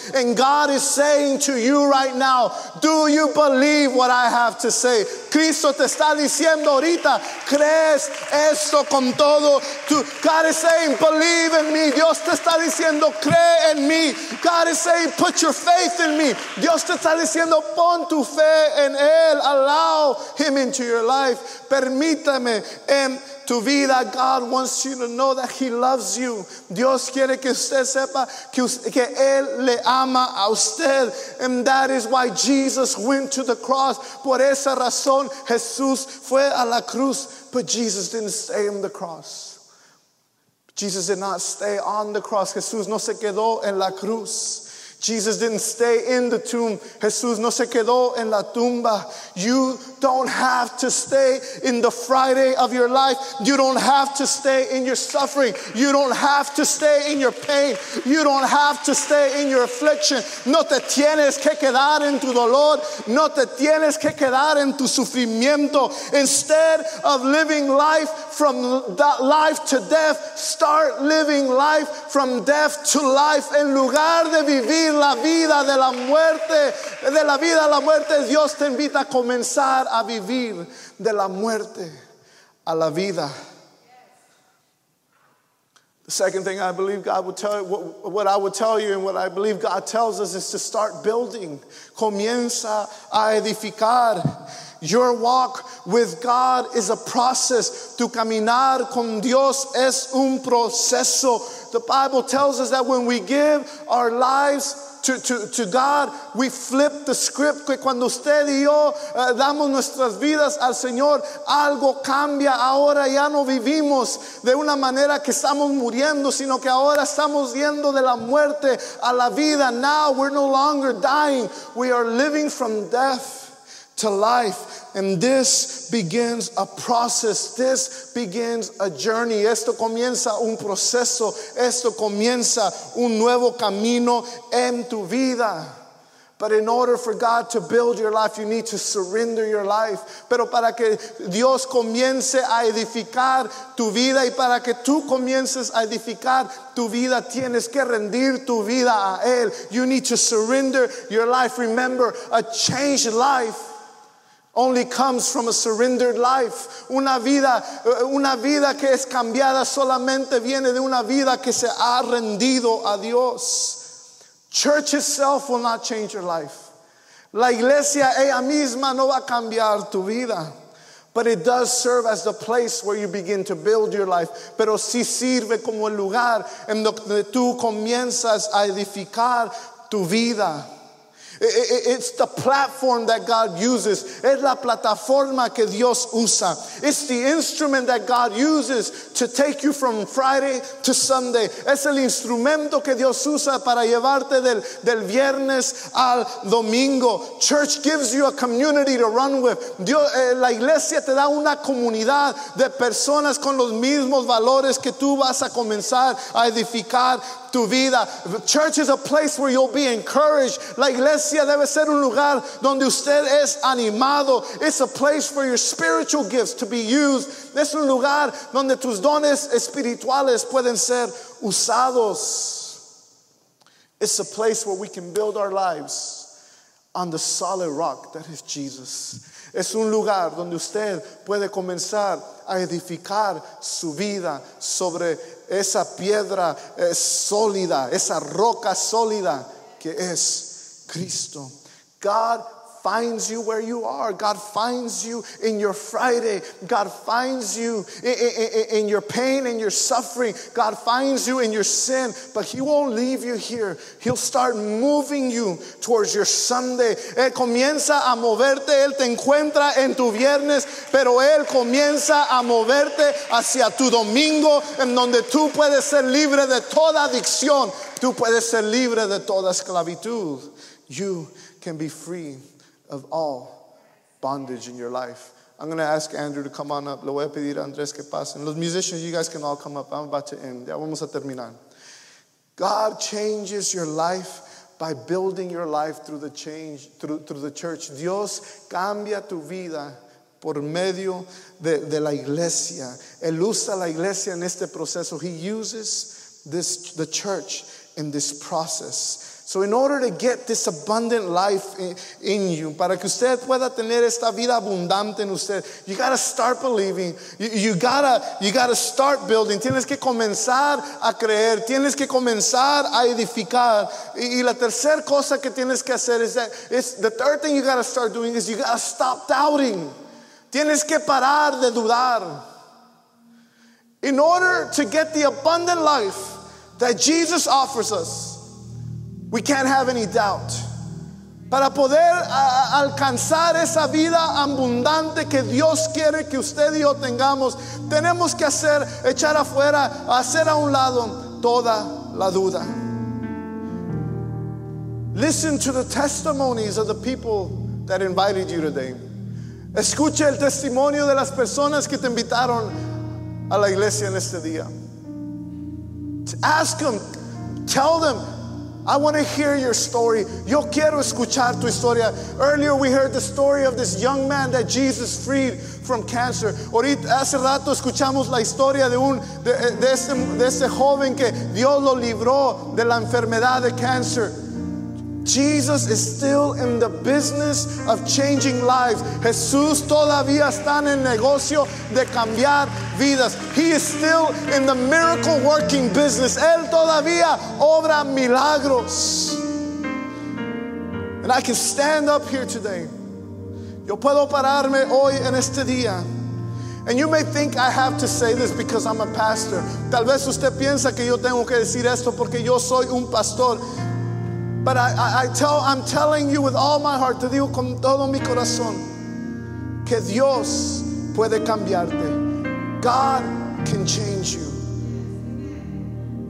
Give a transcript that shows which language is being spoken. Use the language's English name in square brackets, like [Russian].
[English] And God is saying to you right now, do you believe what I have to say? [Spanish] Cristo te está diciendo ahorita, ¿crees esto con todo? [English] God is saying, believe in me. [Spanish] Dios te está diciendo, cree en mí. [English] God is saying, put your faith in me. [Spanish] Dios te está diciendo, pon tu fe en él. [English] Allow him into your life. [Spanish] Permítame en tu vida. [English] God wants you to know that he loves you. [Spanish] Dios quiere que usted sepa que él le ama a usted. [English] And that is why Jesus went to the cross. [Spanish] Por esa razón Jesús fue a la cruz. [English] But Jesus didn't stay on the cross. Jesus did not stay on the cross. [Spanish] Jesús no se quedó en la cruz. [English] Jesus didn't stay in the tomb. [Spanish] Jesús no se quedó en la tumba. [English] You don't have to stay in the Friday of your life. You don't have to stay in your suffering. You don't have to stay in your pain. You don't have to stay in your affliction. [Spanish] No te tienes que quedar en tu dolor. No te tienes que quedar en tu sufrimiento. [English] Instead of living life from life to death, start living life from death to life. [Spanish] En lugar de vivir la vida de la muerte, de la vida a la muerte, Dios te invita a comenzar a vivir de la muerte a la vida. [English] The second thing I believe God would tell you, what I would tell you and what I believe God tells us is to start building. [Spanish] Comienza a edificar. [English] Your walk with God is a process. [Spanish] Tu caminar con Dios es un proceso. [English] The Bible tells us that when we give our lives to God, we flip the script. [Spanish] Que cuando usted y yo damos nuestras vidas al Señor, algo cambia. Ahora ya no vivimos de una manera que estamos muriendo, sino que ahora estamos yendo de la muerte a la vida. [English] Now we're no longer dying. We are living from death to life. And this begins a process. This begins a journey. [Spanish] Esto comienza un proceso. Esto comienza un nuevo camino en tu vida. [English] But in order for God to build your life, you need to surrender your life. [Spanish] Pero para que Dios comience a edificar tu vida y para que tú comiences a edificar tu vida, tienes que rendir tu vida a él. [English] You need to surrender your life. Remember, a changed life only comes from a surrendered life. [Spanish] Una vida que es cambiada solamente viene de una vida que se ha rendido a Dios. [English] Church itself will not change your life. [Spanish] La iglesia ella misma no va a cambiar tu vida. [English] But it does serve as the place where you begin to build your life. [Spanish] Pero sí sirve como el lugar en donde tú comienzas a edificar tu vida. [English] It's the platform that God uses. [Spanish] Es la plataforma que Dios usa. [English] It's the instrument that God uses to take you from Friday to Sunday. [Spanish] Es el instrumento que Dios usa para llevarte del viernes al domingo. [English] Church gives you a community to run with. [Spanish] La iglesia te da una comunidad de personas con los mismos valores que tú vas a comenzar a edificar tu vida. [English] Church is a place where you'll be encouraged. [Spanish] La iglesia debe ser un lugar donde usted es animado. [English] It's a place for your spiritual gifts to be used. [Spanish] Es un lugar donde tus dones espirituales pueden ser usados. [English] It's a place where we can build our lives on the solid rock that is Jesus. [Spanish] Es un lugar donde usted puede comenzar a edificar su vida sobre esa piedra sólida, esa roca sólida que es Cristo. [English] God finds you where you are. God finds you in your Friday. God finds you in your pain and your suffering. God finds you in your sin, but he won't leave you here. He'll start moving you towards your Sunday. [Spanish] Él comienza a moverte. Él te encuentra en tu viernes, pero él comienza a moverte hacia tu domingo, en donde tú puedes ser libre de toda adicción. Tú puedes ser libre de toda esclavitud. [English] You can be free of all bondage in your life. I'm going to ask Andrew to come on up. [Spanish] Le voy a pedir a Andrés que pasen. [English] Los musicians, you guys can all come up. I'm about to end. [Spanish] Ya vamos a terminar. [English] God changes your life by building your life through the church. [Spanish] Dios cambia tu vida por medio de la iglesia. Él usa la iglesia en este proceso. [English] He uses the church in this process. So in order to get this abundant life in you, [Spanish] para que usted pueda tener esta vida abundante en usted, [English] you gotta start believing. You gotta start building. [Spanish] Tienes que comenzar a creer. Tienes que comenzar a edificar. Y la tercera cosa que tienes que hacer es [English] that it's the third thing you gotta start doing is you gotta stop doubting. [Spanish] Tienes que parar de dudar. [English] In order to get the abundant life that Jesus offers us, we can't have any doubt. [Spanish] Para poder alcanzar esa vida abundante que Dios quiere que usted y yo tengamos, tenemos que hacer a un lado toda la duda. [English] Listen to the testimonies of the people that invited you today. [Spanish] Escuche el testimonio de las personas que te invitaron a la iglesia en este día. [English] Ask them, tell them, I want to hear your story. [Spanish] Yo quiero escuchar tu historia. [English] Earlier we heard the story of this young man that Jesus freed from cancer. [Spanish] Hace rato escuchamos la historia de este joven que Dios lo libró de la enfermedad de cancer. [English] Jesus is still in the business of changing lives. [Spanish] Jesús todavía está en el negocio de cambiar vidas. [English] He is still in the miracle working business. [Spanish] Él todavía obra milagros. [English] And I can stand up here today. [Spanish] Yo puedo pararme hoy en este día. [English] And you may think I have to say this because I'm a pastor. [Spanish] Tal vez usted piensa que yo tengo que decir esto porque yo soy un pastor. [English] But I'm telling you with all my heart, [Spanish] te digo con todo mi corazón, que Dios puede cambiarte. [English] God can change you.